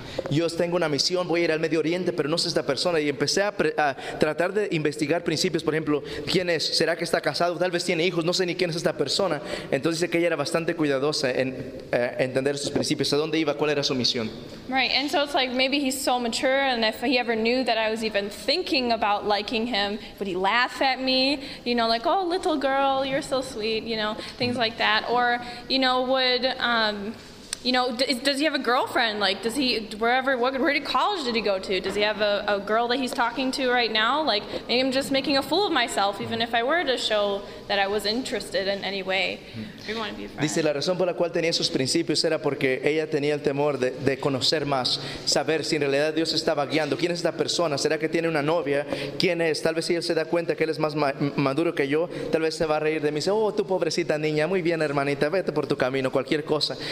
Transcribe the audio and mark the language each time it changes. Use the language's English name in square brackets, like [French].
[Spanish] Yo tengo una misión, voy a ir al Medio Oriente, pero no sé esta persona. Y empecé a tratar de investigar principios. Por ejemplo, ¿quién es? ¿Será que está casado? Tal vez tiene hijos, no sé ni quién es esta persona. Entonces dice que ella era bastante cuidadosa en entender sus principios, a dónde iba, cuál era su misión. [English] Right, and so it's like maybe he's so mature, and if he ever knew that I was even thinking about liking him, would he laugh at me? You know, like, oh, little girl, you're so sweet, you know, things like that. Or, you know, would... you know, does he have a girlfriend? Like, does he, where did college did he go to? Does he have a girl that he's talking to right now? Like, maybe I'm just making a fool of myself, even if I were to show that I was interested in any way. We want to be friends. [Spanish] Dice, la razón por la cual tenía esos principios era porque ella tenía el temor de conocer más, saber si en realidad Dios estaba guiando. ¿Quién es esta persona? ¿Será que tiene una novia? ¿Quién es? Tal vez si él se da cuenta que él es más maduro que yo, tal vez se va a reír de mí. Dice, oh, tu pobrecita niña, muy bien, hermanita, vete por tu camino, cualquier cosa.